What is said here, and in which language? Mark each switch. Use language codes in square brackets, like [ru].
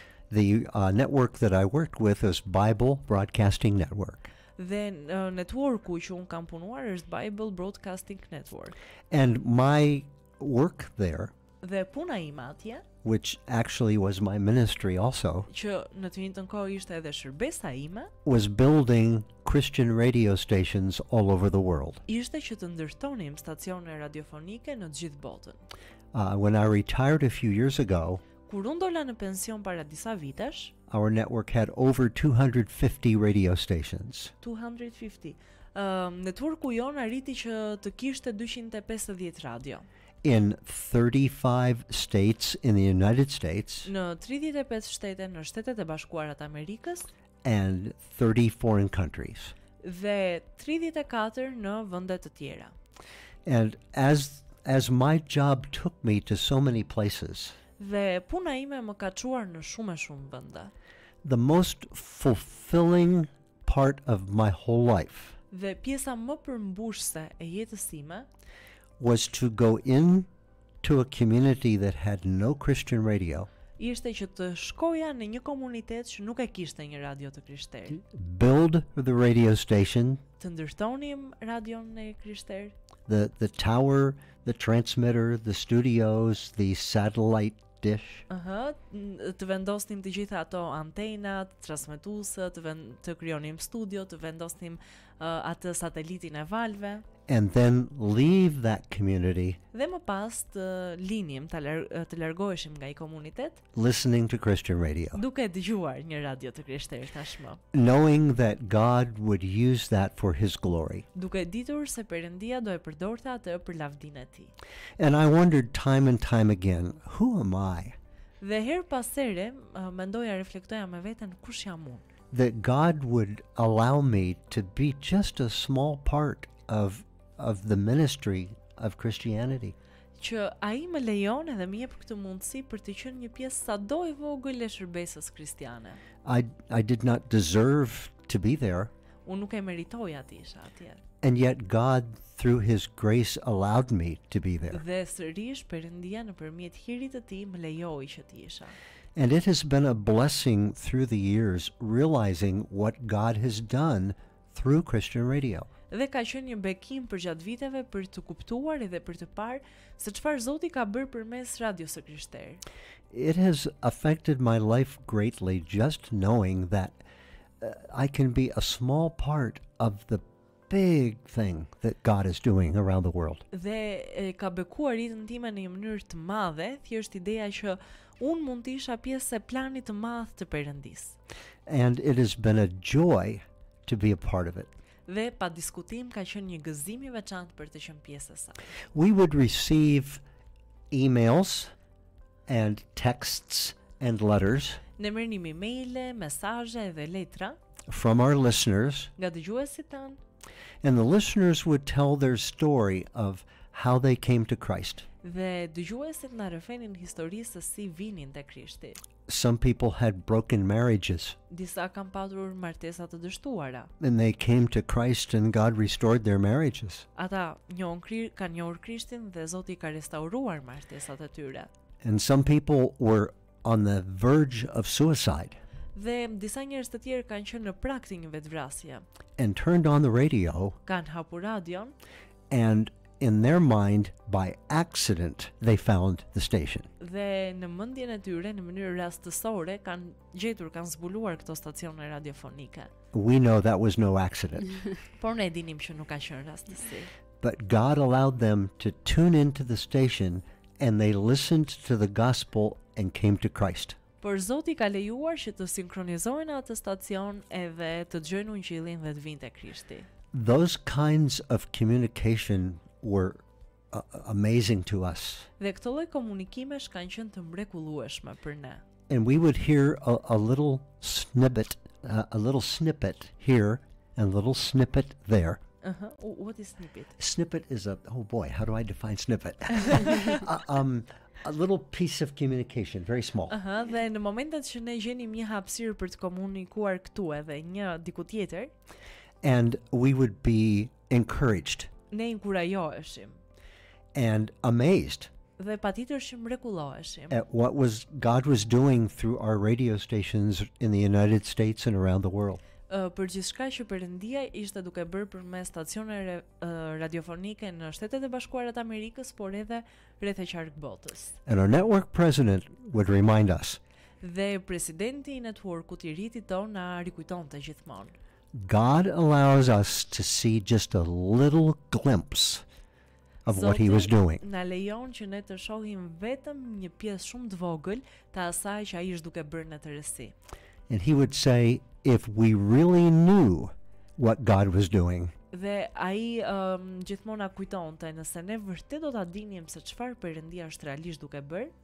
[en] The network that I worked with is Bible Broadcasting Network. [sq] Dhe networku që unë kam punuar është Bible Broadcasting Network. [en] And my work there, [sq] dhe puna ime atje, [en] which actually was my ministry also, [sq] që në të njëjtën kohë ishte edhe shërbesa ime, [en] was building Christian radio stations all over the world. [sq] Ishte që të ndërtonim stacione radiofonike në të gjithë botën. [en] When I retired a few years ago, [sq] kur unë dola në pension para disa vitesh, [en] our network had over 250 radio stations. 250. [sq] Networku jon arriti që të kishte 250 radio. [en] In 35 states in the United States. [sq] Në 35 shtete në Shtetet e Bashkuara të Amerikës. [en] And 30 foreign countries. [sq] Dhe 34 në vende të tjera. [en] And as my job took me to so many places. [sq] Dhe puna ime më ka çuar në shumë e shumë vende. [en] The most fulfilling part of my whole life. [sq] Dhe pjesa më përmbushse e jetës ime [en] was to go in to a community that had no Christian radio. [sq] Ishte që të shkoja në një komunitet që nuk e kishte një radio të krishterë. [en] Build the radio station. [sq] Të ndërtonim radion e krishterë. [en] The tower, the transmitter, the studios, the satellite dish. [sq] Të vendosnim të gjitha ato antenat, transmetuesët, të krijonim studio, të vendosnim atë satelitin e valve. [en] And then leave that community. [sq] Dhe më pas të linim, të largoheshim nga i komunitet. [en] Listening to Christian radio. [sq] Duke dëgjuar një radio të krishterë tashmë. [en] Knowing that God would use that for His glory. [sq] Duke ditur se Perëndia do e përdorte atë për lavdinë e Tij. [en] And I wondered time and time again, who am I? [sq] Dhe her pas here, mendoja, reflektoja me veten, kush jam unë? [en] That God would allow me to be just a small part of the ministry of Christianity. [sq] Që ai më lejon edhe më jep këtë mundësi për të qenë një pjesë sado e vogël e shërbesës kristiane. [en] I did not deserve to be there. [sq] Unë nuk e meritoja të isha atje. [en] And yet God through his grace allowed me to be there. [sq] Dhe sërish Perëndia nëpërmjet hirit të Tij më lejoi që të isha. [en] And it has been a blessing through the years realizing what God has done through Christian radio. [sq] Dhe ka qenë një bekim për gjatë viteve për të kuptuar edhe për të parë se çfarë Zoti ka bërë përmes radios së krishterë. [en] It has affected my life greatly just knowing that I can be a small part of the big thing that God is doing around the world. [sq] Dhe ka bekuar jetën time në një mënyrë të madhe, thjesht ideja që un mund të isha pjesë e planit të madh të Perëndisë. [en] And it has been a joy to be a part of it. [sq] Dhe pa diskutim ka qenë një gëzim i veçantë për të qenë pjesë e saj. [en] We would receive emails and texts and letters. [sq] Ne merrnim emailë, mesazhe dhe letra [en] from our listeners. [sq] Nga dëgjuesit tan. [en] And the listeners would tell their story of how they came to Christ. [sq] Dhe dëgjuesit na rrëfenin historisë se si vinin te Krishti. [en] Some people had broken marriages. [sq] Disa kanë pasur martesa të dështuara. [en] And they came to Christ and God restored their marriages. [sq] Ata kanë njohur Krishtin dhe Zoti ka restauruar martesat e tyre. [en] And some people were on the verge of suicide. [sq] Dhe disa njerëz të tjerë kanë qenë në prag të një vetvrasje. [en] And turned on the radio. [sq] Kanë hapur radion. [en] And in their mind, by accident, they found the station. [sq] Dhe në mendjen e tyre, në mënyrë rastësore, kanë gjetur, kanë zbuluar këtë stacion radiofonike. [en] We know that was no accident. [sq] Por ne dinim që nuk ka qenë rastësi. [en] But God allowed them to tune into the station and they listened to the gospel and came to Christ. [sq] Por Zoti ka lejuar që të sinkronizohen atë stacion edhe të dëgjojnë Ungjillin dhe të vinte te Krishti. [en] Those kinds of communication were amazing to us. [sq] Dhe këto lloj komunikimesh kanë qenë të mrekullueshme për ne. [en] And we would hear a little snippet here and a little snippet there. Uh-huh. What is snippet? Snippet is a, oh boy, how do I define snippet? a little piece of communication, very small. Uh-huh. [sq] Dhe në momentet që ne gjenim një hapësirë për të komunikuar këtu edhe një diku tjetër, [en] and we would be encouraged. [sq] Ne inkurajoheshim. [en] And amazed. [sq] Dhe patjetër shumë mrekullohoheshim. [en] At what was God was doing through our radio stations in the United States and around the world. [sq] Për gjithçka që Perëndia ishte duke bërë përmes stacioneve radiofonike në Shtetet e Bashkuara të Amerikës, por edhe rreth e qark botës. [en] And our network president would remind us. [sq] Dhe presidenti i networkut i rritit ton na rikujtonte gjithmonë. [en] God allows us to see just a little glimpse of [sq] Zoti [en] what he was doing. [sq] Na lejon që ne të shohim vetëm një pjesë shumë të vogël të asaj që ai është duke bërë në tërësi. [en] And he would say, if we really knew what God was doing. [sq] Dhe ai gjithmonë kujtonte, nëse ne vërtet do ta dinim se çfarë Perëndia është realisht duke bërë,